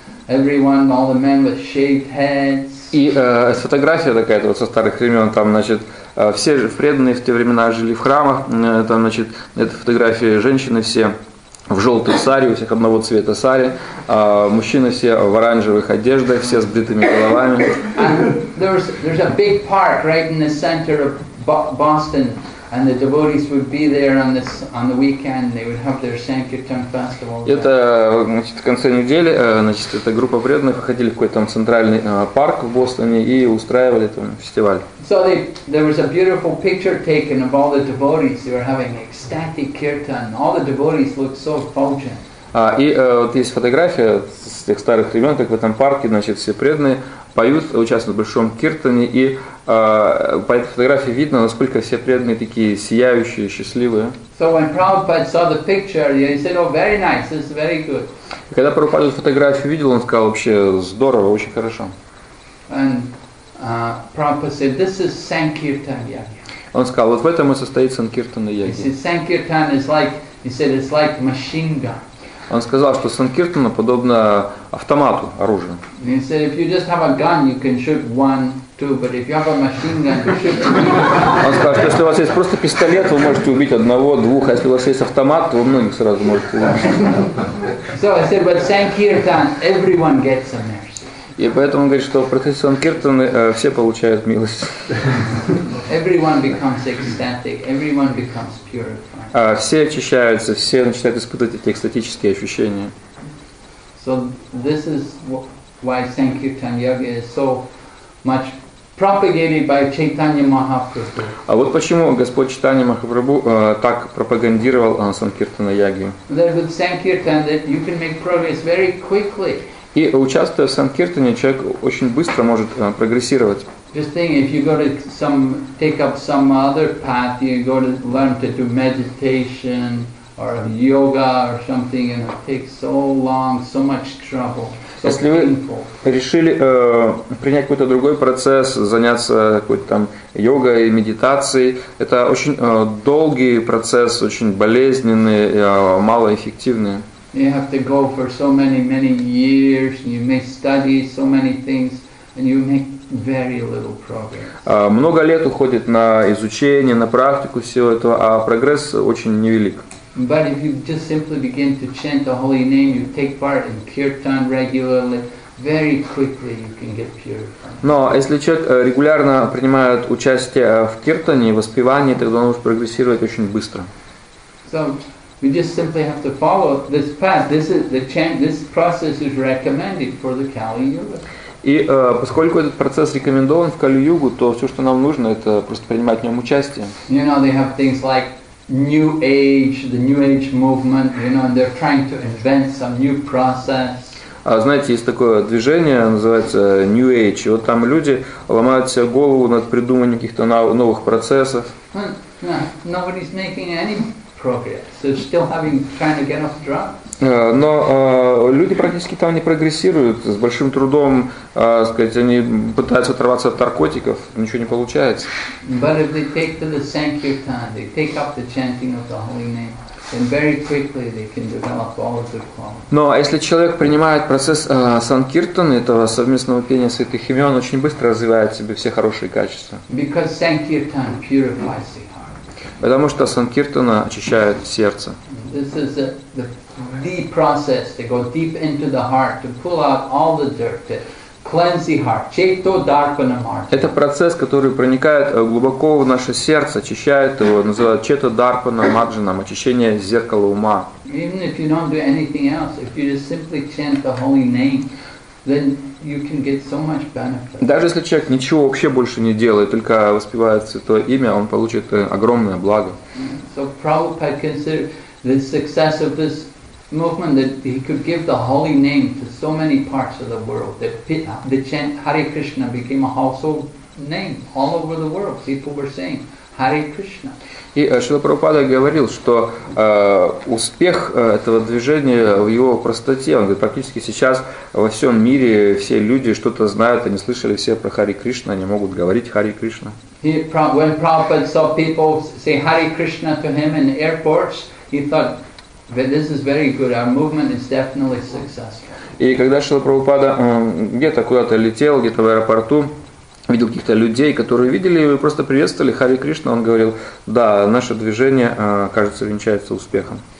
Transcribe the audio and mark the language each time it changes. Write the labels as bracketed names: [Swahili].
[English] Everyone, all the men with shaved heads. [Russian] И фотография такая вот со старых времен, там, значит, все же преданные в те времена жили в храмах, там, значит, это фотографии женщины все в желтых сари, у всех одного цвета сари, мужчины все в оранжевых одеждах, все с бритыми головами. [English] There's a big park right in the center of Boston, and the devotees would be there on the weekend, they would have their Sankirtan festival. [Russian] Это, значит, в конце недели, значит, эта группа преданных выходили в какой-то там центральный парк в Бостоне и устраивали там фестиваль. [English] So there was a beautiful picture taken of all the devotees. They were having ecstatic kirtan. All the devotees looked so effulgent. [Russian] И вот есть фотография с тех старых времен, как в этом парке, значит, все преданные поют, участвуют в большом киртане, и по этой фотографии видно, насколько все преданные такие сияющие, счастливые. [English] So when Prabhupada saw the picture, he said, oh, very nice, this is very good. [Russian] И когда Прабхупада эту фотографию видел, он сказал, вообще здорово, очень хорошо. [English] And Prabhupada said, this is Sankirtan Yagya. [Russian] Он сказал, вот в этом и состоит Санкиртана Яги. [English] He said, Sankirtan is like, he said, it's like machine gun. [Russian] Он сказал, что санкиртана подобно автомату, оружию. [English] He said, if you just have a gun, you can shoot one [Russian] Он сказал, что если у вас есть просто пистолет, вы можете убить одного, двух, а если у вас есть автомат, то вы многих сразу можете убить. И поэтому он говорит, что в процессе Санкиртаны все получают милость. Все очищаются, все начинают испытывать эти экстатические ощущения. [English] So this is why Sankirtan Yoga is so much propagated by Chaitanya Mahaprabhu. [Russian] А вот почему Господь Чайтанья Махапрабху так пропагандировал Санкиртана Яги. [English] That with Sankirtan that you can make progress very quickly. [Russian] И участвуя в Санкиртане, человек очень быстро может прогрессировать. [English] Just think, if you go to some, take up some other path, you go to learn to do meditation or yoga or something, and it takes so long, so much trouble. [Russian] Если вы решили принять какой-то другой процесс, заняться какой-то там йогой, медитацией, это очень долгий процесс, очень болезненный, малоэффективный. [English] You have to go for so many, many years, and you may study so many things, and you make very little progress. [Russian] Много лет уходит на изучение, на практику всего этого, а прогресс очень невелик. [English] But if you just simply begin to chant the holy name, you take part in kirtan regularly, very quickly you can get purified. [Russian] Но если человек регулярно принимает участие в киртане, в воспевании, тогда он может прогрессировать очень быстро. [English] So, we just simply have to follow this path. This is the chant. This process is recommended for the Kali Yuga. [Russian] И поскольку этот процесс рекомендован в Кали Югу, то все, что нам нужно, это просто принимать в нем участие. [English] You know, they have things like New Age, the New Age movement. You know, and they're trying to invent some new process. [Russian] Знаете, есть такое движение, называется New Age. И вот там люди ломают себе голову над придуманием каких-то новых процессов. [English] No, nobody's making any. Progress. So still having trying to get off drugs. [Russian] Но люди практически там не прогрессируют с большим трудом, сказать, они пытаются оторваться от наркотиков, ничего не получается. [English] But if they take to the sankirtan, they take up the chanting of the holy name, then very quickly they can develop all of the qualities. [Russian] Но если человек принимает процесс санкиртаны, этого совместного пения святых имен, он очень быстро развивает в себе все хорошие качества. [English] Because sankirtan purifies it. [Russian] Потому что санкиртана очищает сердце. [English] This is the process to go deep into the heart, to pull out all the dirt, to cleanse the heart. [Sanskrit] Чайто дарпана марджана. [Russian] Это процесс, который проникает глубоко в наше сердце, очищает его, называют [Sanskrit] чайто дарпана марджана, [Russian] очищение зеркала ума. [English] Even if you don't do anything else, if you just simply chant the holy name, then you can get so much benefit. [Russian] Даже если человек ничего вообще больше не делает, только воспевает святое имя, он получит огромное благо. [English] So Prabhupada considered the success of this movement that he could give the holy name to so many parts of the world that the chant Hare Krishna became a household name all over the world. People were saying Hare Krishna. [Russian] И Шрила Прабхупада говорил, что успех этого движения в его простоте. Он говорит, практически сейчас во всем мире все люди что-то знают, они слышали все про Хари Кришна, они могут говорить Хари Кришна. [English] When Prabhupada saw people say Hare Krishna to him in airports, he thought that this is very good. Our movement is definitely successful. [Russian] И когда Шрила Прабхупада где-то куда-то летел, где-то в аэропорту, видел каких-то людей, которые видели его и просто приветствовали Хари Кришна, он говорил, да, наше движение, кажется, венчается успехом.